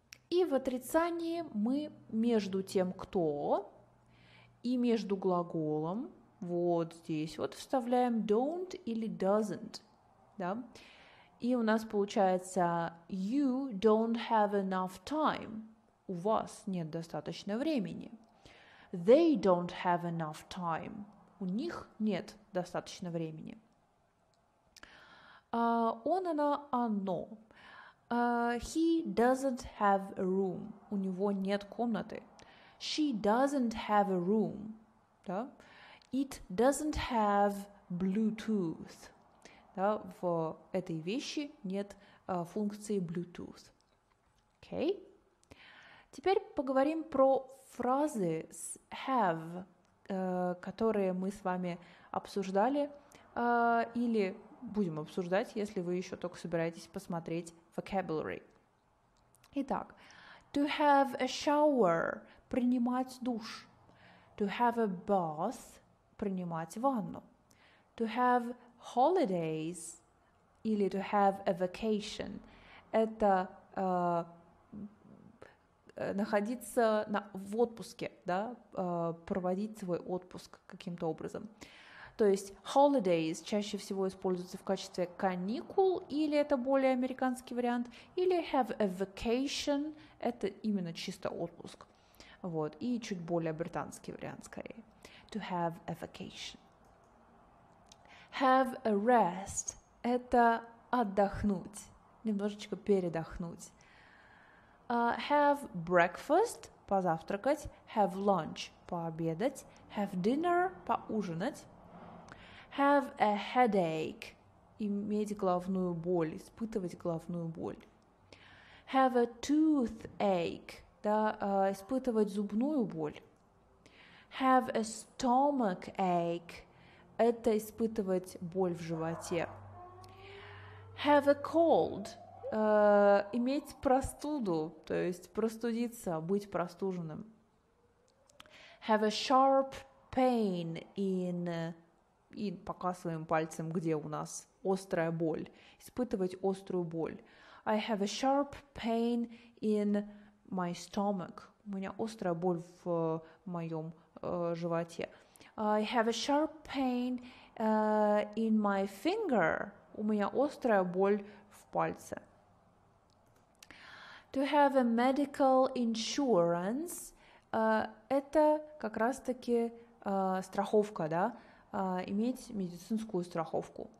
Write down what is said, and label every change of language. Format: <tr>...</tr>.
<ru>И в отрицании мы между тем, кто, и между глаголом, вот здесь, вот вставляем don't или doesn't, да? И у нас получается</ru> <en>you don't have enough time.</en> <ru>У вас нет достаточно времени.</ru> <en>They don't have enough time.</en> <ru>У них нет достаточно времени. Он, она, оно.</ru> <en>He doesn't have a room.</en> <ru>У него нет комнаты.</ru> <en>She doesn't have a room.</en> <ru>Да?</ru> <en>It doesn't have Bluetooth.</en> <ru>Да, в этой вещи нет функции Bluetooth. Окей? Теперь поговорим про фразы с have, которые мы с вами обсуждали или будем обсуждать, если вы еще только собираетесь посмотреть vocabulary. Итак,</ru> <en>to have a shower –</en> <ru>принимать душ.</ru> <en>To have a bath –</en> <ru>принимать ванну.</ru> <en>To have holidays</en> <ru>или</ru> <en>to have a vacation</en> <ru>– это находиться в отпуске, да, проводить свой отпуск каким-то образом. То есть holidays чаще всего используется в качестве каникул, или это более американский вариант, или</ru> <en>have a vacation,</en> <ru>это именно чисто отпуск. Вот, и чуть более британский вариант скорее.</ru> <en>To have a vacation. Have a rest</en> <ru>– это отдохнуть, немножечко передохнуть.</ru> <en>Have breakfast –</en> <ru>позавтракать.</ru> <en>Have lunch –</en> <ru>пообедать.</ru> <en>Have dinner –</en> <ru>поужинать.</ru> <en>Have a headache</en> <ru>– иметь головную боль, испытывать головную боль.</ru> <en>Have a toothache</en> <ru>– да, испытывать зубную боль.</ru> <en>Have a stomachache</en> <ru>– это испытывать боль в животе.</ru> <en>Have a cold</en> <ru>– иметь простуду, то есть простудиться, быть простуженным.</ru> <en>Have a sharp pain in…</en> <ru>и показываем пальцем, где у нас острая боль, испытывать острую боль.</ru> <en>I have a sharp pain in my stomach.</en> <ru>У меня острая боль в моем животе.</ru> <en>I have a sharp pain in my finger.</en> <ru>У меня острая боль в пальце.</ru> <en>To have a medical insurance</en> <ru>– это как раз-таки страховка, да? Иметь медицинскую страховку.</ru>